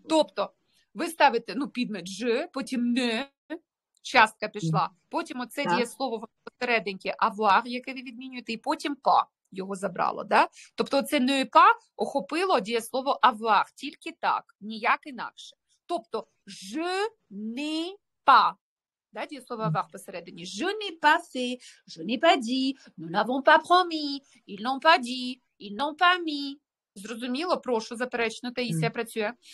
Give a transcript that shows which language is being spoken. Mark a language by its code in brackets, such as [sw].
[uk] Тобто ви ставите, ну, підмет «ж», потім «не», частка пішла, потім оце дієслово посереденьке «авах», яке ви відмінюєте, і потім «па» його забрало, да? Тобто це «не» і «па» охопило дієслово «авах», тільки так, ніяк інакше. Тобто «ж», «не», «па», да, дієслово «авах» посередині, [fr] «je n'ai pas fait», «je n'ai pas dit», «nous n'avons pas promis», «ils n'ont pas dit», «ils n'ont pas mis». [uk] Зрозуміло, прошу, заперечно, Таїсія працює.